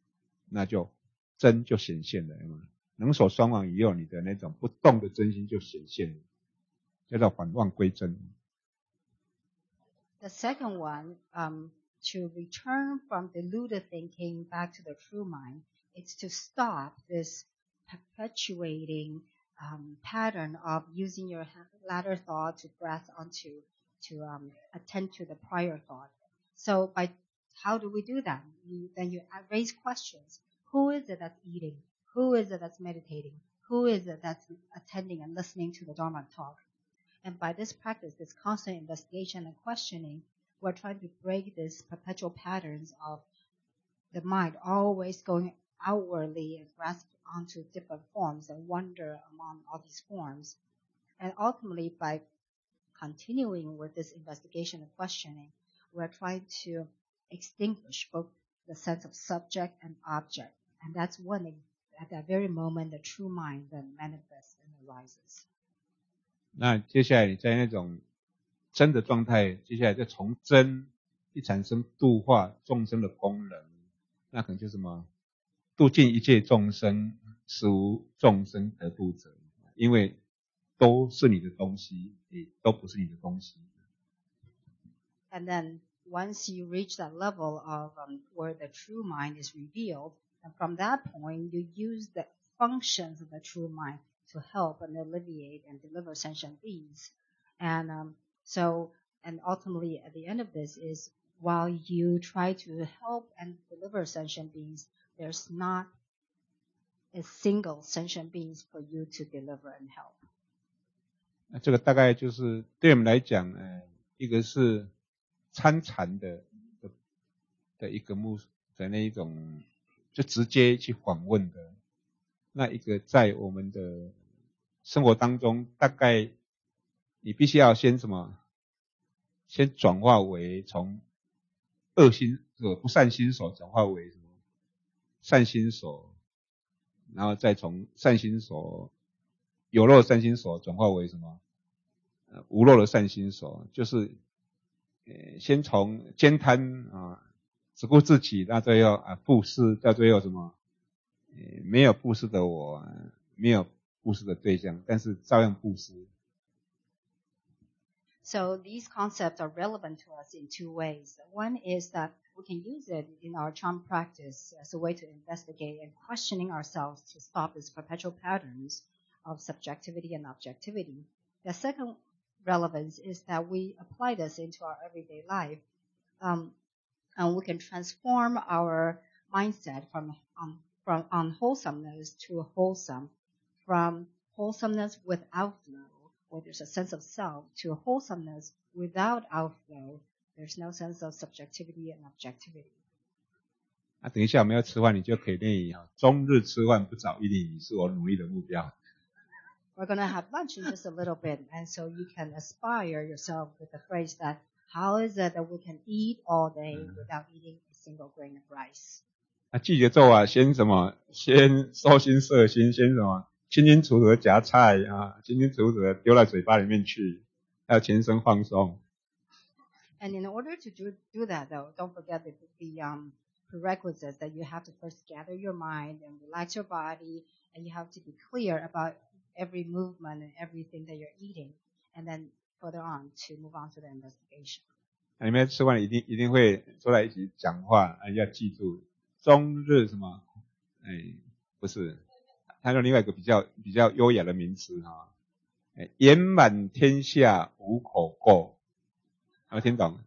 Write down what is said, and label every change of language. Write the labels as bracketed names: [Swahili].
[Chinese] 比如说能知的，比如说吃完是谁，穿衣服的是谁，啊，听见的是谁，对不对？你不要讲问讲听的是谁啊，那不是，你要听见的是谁啊。然后慢慢的，你这种去往外取向的啊，或是后面去言前念的这一个习性，慢慢的什么停下来，到最后这个什么，我们叫能所双亡，那就真就显现了，有吗？能所双亡以后，你的那种不动的真心就显现，叫做反妄归真。The [English] second one, to return from deluded thinking back to the true mind, it's to stop this perpetuating pattern of using your latter thought to grasp onto, to attend to the prior thought. So, how do we do that? Then you raise questions. Who is it that's eating? Who is it that's meditating? Who is it that's attending and listening to the Dharma talk? And by this practice, this constant investigation and questioning, we're trying to break this perpetual patterns of the mind always going outwardly and grasp onto different forms and wander among all these forms. And ultimately, by continuing with this investigation and questioning, we're trying to extinguish both the sense of subject and object. And that's one thing. At that very moment, the true mind then manifests and arises. [Chinese] 那接下来你在那种真的状态，接下来再从真去产生度化众生的功能。那可能就是什么度尽一切众生，使无众生得度者，因为都是你的东西，也都不是你的东西。 [English] And then once you reach that level of、where the true mind is revealed, and from that point you use the functions of the true mind to help and alleviate and deliver sentient beings. And、so, and ultimately at the end of this is while you try to help and deliver sentient beings, there's not a single sentient beings for you to deliver and help. [Chinese] 那这个大概就是对我们来讲、一个是参禅 的一个目的那一种就直接去访问的，那一个在我们的生活当中大概你必须要先什么先转化为从恶心不善心所转化为什么善心所，然后再从善心所有漏的善心所转化为什么无漏的善心所，就是先从兼贪只顾自己，那最后布施，到最后什么没有布施的我，没有布施的对象，但是照样布施。 [English] So these concepts are relevant to us in two ways. One is that we can use it in our chan practice as a way to investigate and questioning ourselves to stop these perpetual patterns of subjectivity and objectivity. The second relevance is that we apply this into our everyday life, and we can transform our mindset from unwholesomeness to wholesome, from wholesomeness with outflow. Where there's a sense of self to a wholesomeness without outflow, there's no sense of subjectivity and objectivity. [Chinese] 那等一下我们要吃饭，你就可以练习中日吃饭不早一点，是我努力的目标。 [English] We're gonna have lunch in just a little bit, and so you can aspire yourself with the phrase that how is it that we can eat all day without eating a single grain of rice? [Chinese] 那记节奏啊，先什么？先收心摄心，先什么？清清楚楚的夹菜啊，清清楚楚的丢在嘴巴里面去，要全身放松。 [English] And in order to do that though, don't forget the prerequisites that you have to first gather your mind and relax your body, and you have to be clear about every movement and everything that you're eating, and then further on to move on to the investigation. [Chinese] 那你们吃完一定会坐在一起讲话，要记住中日什么？不是。他有另外一个比较优雅的名词哈，言满天下无口过，有没听懂？